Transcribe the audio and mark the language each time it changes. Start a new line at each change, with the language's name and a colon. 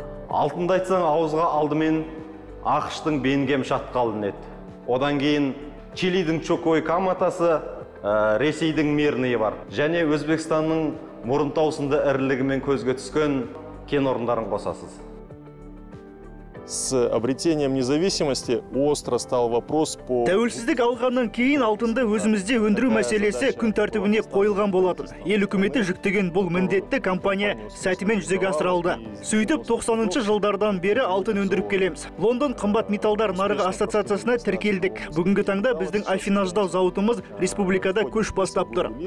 Kazakh: Алтынды айтсаң ауызға алдымен Ақыштың бенгем шатқалын еді. Одан кейін Чилидің Чокой Каматасы, Ресейдің Мирнеі бар. Және Өзбекстанның Мұрынтаусында ірілігімен көзге түскен кен орындарын қосасыз.
Russian: С обретением независимости остро стал вопрос по...
Kazakh: Тәуелсіздік алғаннан кейін алтынды өзімізде өндіру мәселесі күн тәртібіне қойылған болатын. Ел үкіметі жүктеген бұл міндетті компания сәтімен жүзеге асыра алды. Сөйтіп 90-шы жылдардан бері алтын өндіріп келеміз. Лондон қымбат металдар нарығы ассоциациясына тіркелдік. Бүгінгі таңда біздің Афинаждау зауытымыз республикада көш бастап тұр.